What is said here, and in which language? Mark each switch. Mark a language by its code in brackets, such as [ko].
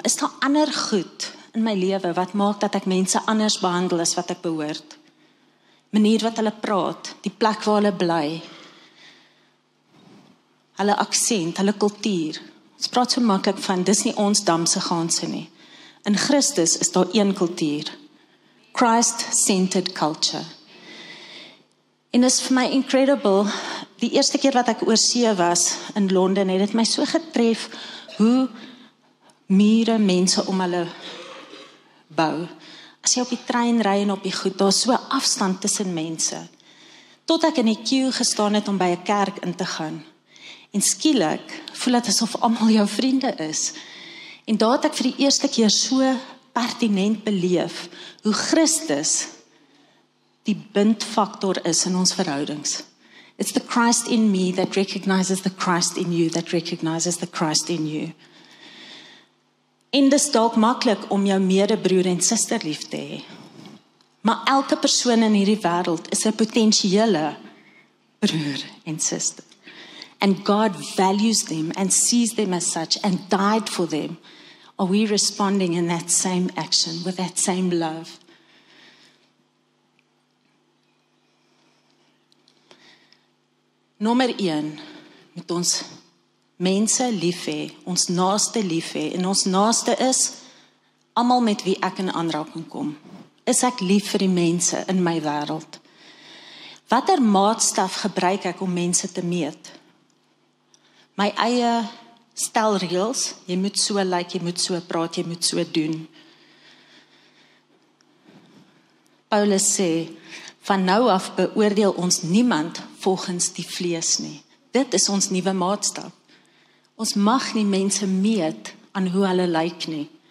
[af] Is daar ander goed in my lewe wat maak dat ek mense anders behandel as wat ek behoort? Manier wat hulle praat, die plek waar hulle bly, hulle aksent, hulle kultuur. Ons praat so maklik van, dis nie ons damse ganse nie. In Christus is daar een kultuur. [en] Christ-centered culture. [af] En dis vir my incredible, die eerste keer wat ek oorsee was in Londen, het my so getref hoe mure mense om hulle bou. As jy op die trein ry en op die goed, daar is so afstand tussen mense. Tot ek in die queue gestaan het om by 'n kerk in te gaan. En skielik voel dit asof almal jou vriende is. En daar het ek vir die eerste keer so pertinent beleef hoe Christus die bindfaktor is in ons verhoudings. [en] It's the Christ in me that recognizes the Christ in you, that recognizes the Christ in you. [af] En dis dalk maklik om jou medebroer en suster lief te hê. Maar elke persoon in hierdie wêreld is 'n potensiële broer en suster. [en] And God values them and sees them as such and died for them. Are we responding in that same action with that same love? [af] Nommer 1. moet ons mense lief hê, ons naaste lief hê, en ons naaste is allemaal met wie ek in aanraking kom. Is ek lief vir die mense in my wêreld? Watter maatstaf gebruik ek om mense te meet? My eie stel reëls, jy moet so lyk, jy moet so praat, jy moet so doen. Paulus sê, van nou af beoordeel ons niemand volgens die vlees nie. Dit is ons nuwe maatstaf. Ons mag nie mense meet aan hoe hulle lyk nie.